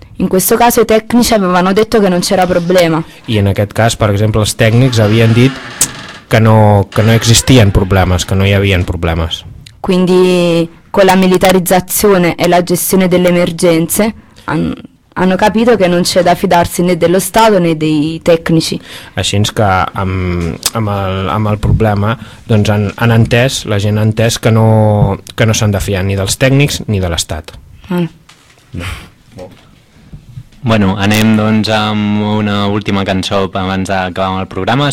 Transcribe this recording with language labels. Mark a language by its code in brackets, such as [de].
[it] In questo caso i tecnici avevano detto che non c'era problema. [ca] I en aquest cas, per exemple, els tècnics havien dit que no existien problemes, que no hi havia problemes. [it] Quindi con la militarizzazione e la gestione delle emergenze hanno capito che non c'è da fidarsi né dello Stato né dei tecnici. [ca] Així que amb el problema, doncs la gent ha entès que no s'han de fiar ni dels tècnics ni de l'Estat. Bueno, anem doncs amb una última cançó abans d'acabar amb el programa.